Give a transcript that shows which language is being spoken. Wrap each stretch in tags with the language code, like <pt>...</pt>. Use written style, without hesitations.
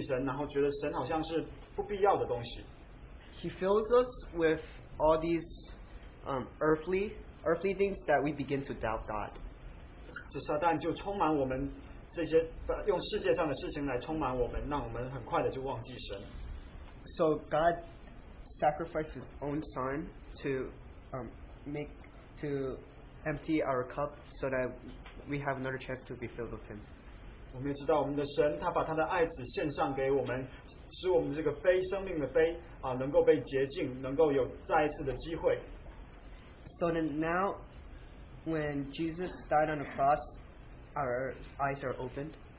<zh>撒旦常常就引诱我们，让我们被这世界上的事情所充满，就忘记神，然后觉得神好像是不必要的东西。</zh> <en>He fills us with all these earthly things that we begin to doubt God.</en> <zh>这撒旦就充满我们。这些用世界上的事情来充满我们，让我们很快的就忘记神。</zh> <en>So God sacrificed His own Son to to empty our cup so that we have another chance to be filled with Him.</en> <zh>我们也知道我们的神，他把他的爱子献上给我们，使我们这个杯，生命的杯，能够被洁净，能够有再一次的机会。</zh> <en>So then now, when Jesus died on the cross, our eyes are opened.</en>